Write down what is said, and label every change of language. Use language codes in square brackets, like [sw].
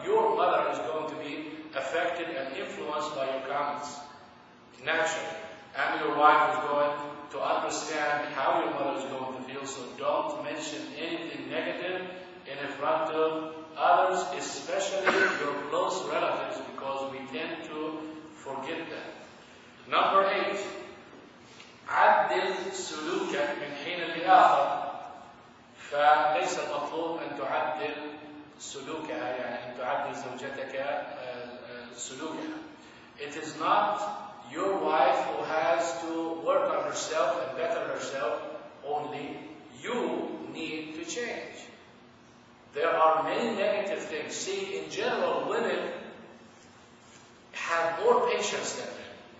[en] Your mother is going to be affected and influenced by your comments, naturally. And your wife is going to understand how your mother is going to feel, so don't mention anything negative in front of others, especially your close relatives, because we tend to forget that. Number 8, [ar] عدل سلوكك من حين لآخر. فليس المطلوب أن تعدل سلوكها، يعني أن تعدل زوجتك سلوكها. [en] It is not your wife who has to work on herself and better herself only. You need to change. There are many negative things. See, in general, women have more patience than men.